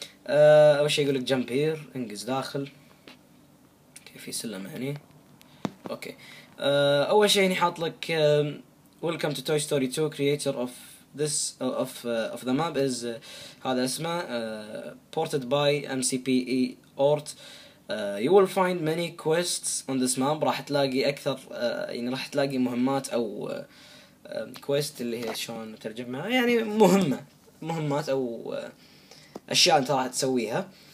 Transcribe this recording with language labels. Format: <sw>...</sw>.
<ar>اول شيء يقول لك جمب هير، انقز داخل. اوكي، في سلم هنا. اوكي، اول شيء هنا حاط لك</ar> <en>Welcome to Toy Story 2. Creator of this of the map is</en> <ar>هذا اسمه</ar> <en>ported by MCPE Art. You will find many quests on this map.</en> <ar>راح تلاقي أكثر يعني راح تلاقي مهمات أو quest اللي هي شلون ترجمها، يعني مهمات أو أشياء أنت راح تسويها.</ar>